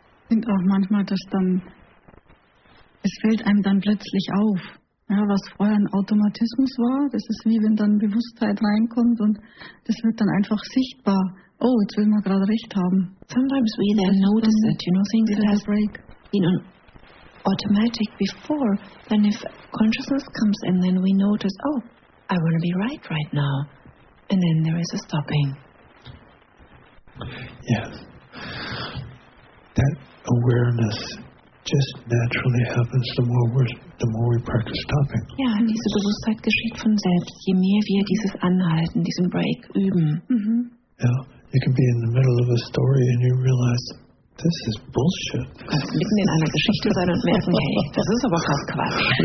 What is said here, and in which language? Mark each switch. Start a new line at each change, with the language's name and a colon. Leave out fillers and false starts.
German: Auch manchmal, dass dann es fällt einem dann plötzlich auf, ja, was vorher ein Automatismus war, das ist wie wenn dann Bewusstheit reinkommt und das wird dann einfach sichtbar. Oh, jetzt will man gerade recht haben.
English: Sometimes we then notice it, you know, things that have break. Been on automatic before, then if consciousness comes in, then we notice, oh, I want to be right right now, and then there is a stopping. Yes. That awareness just naturally happens the more we practice stopping.
German: Ja, diese Bewusstheit geschieht von selbst, je mehr wir dieses Anhalten, diesen Break üben.
English: Yeah, you can be in the middle of a story and you realize this is bullshit.
German: Du kannst mitten in einer Geschichte sein und merken, hey, das ist aber krass Quatsch.